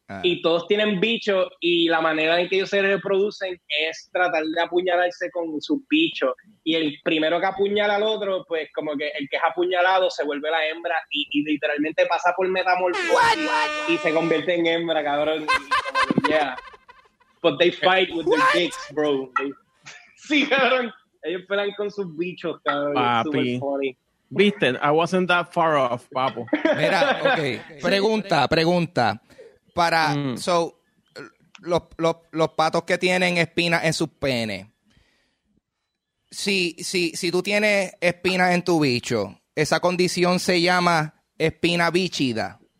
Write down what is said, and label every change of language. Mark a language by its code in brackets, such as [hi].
[es] Y todos tienen bichos, y la manera en que ellos se reproducen es tratar de apuñalarse con su bicho. Y el primero que apuñala al otro, pues como que el que es apuñalado se vuelve la hembra y literalmente pasa por metamorfosis y se convierte en hembra, cabrón. [en] Yeah. But they fight with their dicks, bro. [es] Sí, cabrón. Ellos pelan con sus bichos, cabrón. [en] Papi. Super funny. Viste, I wasn't that far off, papo. [es] Mira, ok. Pregunta. Para, so, los patos que tienen espinas en sus penes. Si tú tienes espinas en tu bicho, esa condición se llama espina bichida.